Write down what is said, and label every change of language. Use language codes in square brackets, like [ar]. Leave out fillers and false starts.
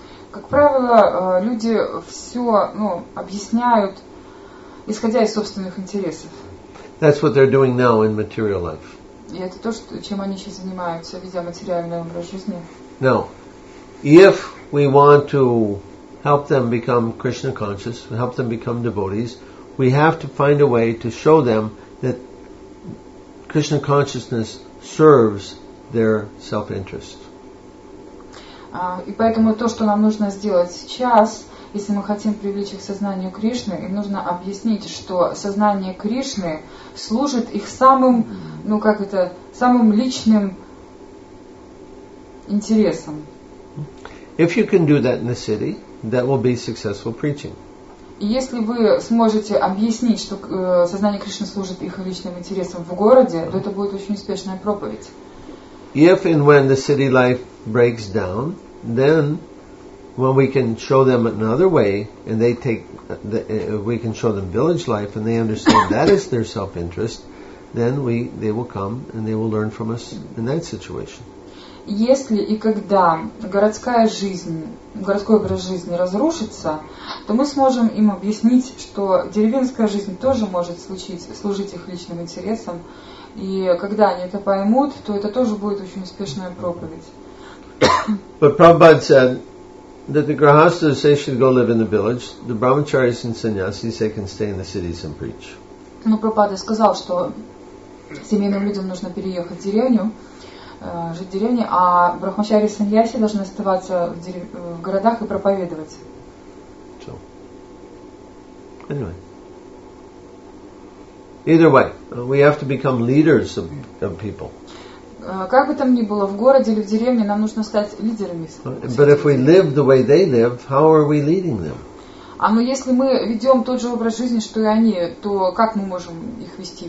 [ru] Как правило, люди все, объясняют, исходя из собственных интересов. [en] That's what they're doing now in material life. [ru] И это то, чем они сейчас занимаются, ведя материальный образ жизни. [en] No, if we want to help them become Krishna conscious, help them become devotees, we have to find a way to show them that Krishna consciousness serves their self-interest. [ru] И поэтому то, что нам нужно сделать сейчас, если мы хотим привлечь их к сознанию Кришны, им нужно объяснить, что сознание Кришны служит их самым, самым личным интересам. [en] If you can do that in the city, that will be successful preaching. [ru] И если вы сможете объяснить, что сознание Кришны служит их личным интересам в городе, то это будет очень успешная проповедь. [en] If and when the city life breaks down, then when we can show them another way, and they take, we can show them village life, and they understand that is their self-interest, then they will come and they will learn from us in that situation. [ru] Если и когда городская жизнь, городской образ жизни разрушится, то мы сможем им объяснить, что деревенская жизнь тоже может служить их личным интересам. И когда они это поймут, то это тоже будет очень успешная проповедь. [en] But Prabhupada said that the grihasthas they should go live in the village, the brahmacharis and sannyasis they can stay in the cities and preach. [ru] Но Прабхупада сказал, что семейным людям нужно переехать в деревню, жить в деревне, а брахмачари и саньяси должны оставаться в городах и проповедовать. [en] So. Anyway. Either way, we have to become leaders of people. [ru] Как бы там ни было, в городе или в деревне, нам нужно стать лидерами. [en] But if we live the way they live, how are we leading them? [ru] Но если мы ведем тот же образ жизни, что и они, то как мы можем их вести?